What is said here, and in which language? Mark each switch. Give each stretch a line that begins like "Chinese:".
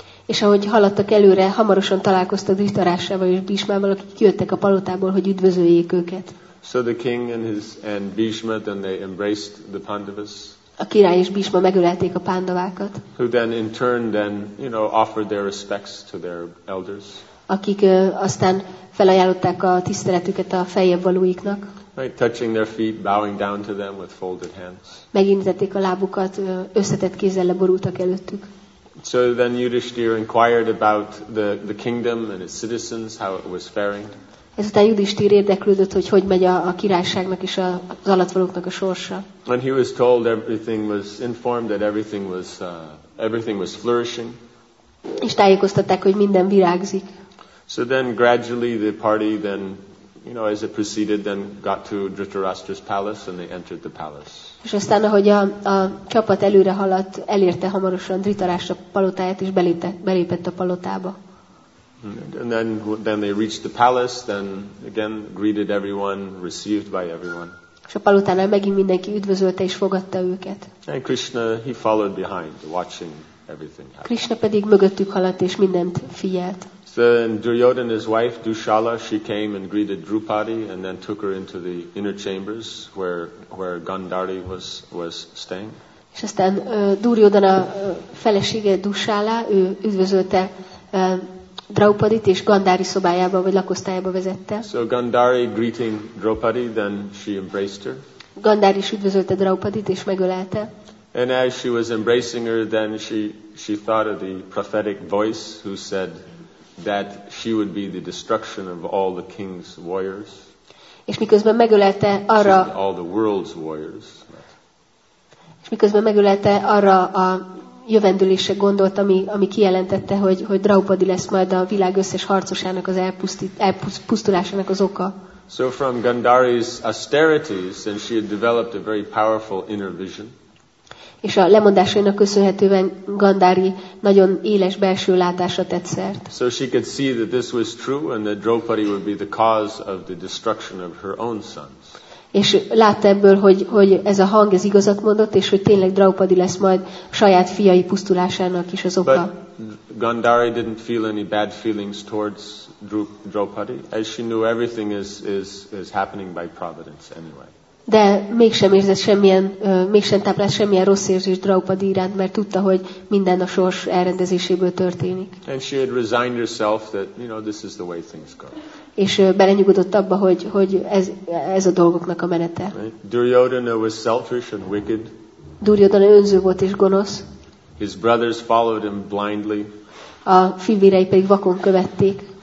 Hungarian: És ahogy haladtak előre, hamarosan találkoztak Dhritarashtrával és Bhishmával, akik jöttek a palotából, hogy üdvözöljék őket.
English: So the king and Bhishma, then they embraced the Pandavas.
Hungarian: A király és Bhishma megölelték a Pandavákat.
English: Who then in turn then, you know, offered their respects to their elders.
Hungarian: Akik aztán felajánlották a tiszteletüket a feljebb valóiknak.
English: Right, touching their feet, bowing down to them with folded hands.
Hungarian: Megintették a lábukat, összetett kézzel leborultak előttük.
English: So then Yudhishthir inquired about the kingdom and its citizens, how it was faring.
Hungarian: Ezután Yudhishthir érdeklődött, hogy hogyan megy a királyságnak és az alattvalóknak a sorsa.
English: And he was told everything was informed that everything was flourishing.
Hungarian: És tájékoztatták, hogy minden virágzik.
English: So then gradually the party then, you know, as it proceeded, then got to Dhritarashtra's palace and they entered the palace.
Hungarian: És aztán, ahogy a csapat előre haladt, elérte hamarosan Dhritarashtra palotáját és belépett a palotába.
English: And then they reached the palace, then again greeted everyone, received by everyone.
Hungarian: És a palotánál megint mindenki üdvözölte és fogadta őket.
English: And Krishna, he followed behind, watching everything happen.
Hungarian: Krishna pedig mögöttük haladt és mindent figyelt.
English: So then Duryodhana, his wife, Dushala, she came and greeted Drupadi and then took her into the inner chambers where Gandhari was staying.
Hungarian: És aztán Duryodhana felesége, Dushala, ő üdvözölte Draupadit és Gandhari szobájába vagy lakosztályába vezette.
English: So Gandhari greeting Draupadi, then she embraced her.
Hungarian: Gandhari is üdvözölte Draupadit és megölelte.
English: And as she was embracing her, then she thought of the prophetic voice who said that she would be the destruction of all the king's warriors.
Hungarian: És miközben megölelte arra.
English: All the world's warriors.
Hungarian: És miközben megölelte arra a jövendőlésre gondolt, ami kijelentette, hogy Draupadi lesz majd a világ összes harcosának az elpusztulásának az oka.
English: So from Gandhari's austerities, and she had developed a very powerful inner vision.
Hungarian: És a lemondásainak köszönhetően Gandhari nagyon éles belső látásra tett szert.
English: So she could see that this was true and that Draupadi would be the cause of the destruction of her own sons.
Hungarian: És látta ebből, hogy ez a hang ez igazat mondott, és hogy tényleg Draupadi lesz majd saját fiai pusztulásának is az oka.
English: But Gandhari didn't feel any bad feelings towards Draupadi, as she knew everything is happening by providence anyway.
Hungarian: De mégsem érzett mégsem táplált semmilyen rossz érzést Draupadi iránt, mert tudta, hogy minden a sors elrendezéséből történik.
English: And she had resigned herself that, you know, this is the way things go.
Hungarian: És belenyugodott abba, hogy ez a dolgoknak a menete.
English: Right? Duryodhana was selfish and wicked.
Hungarian: Duryodhana önző volt és gonosz.
English: His brothers followed him blindly.
Hungarian: A fivérei pedig vakon követték.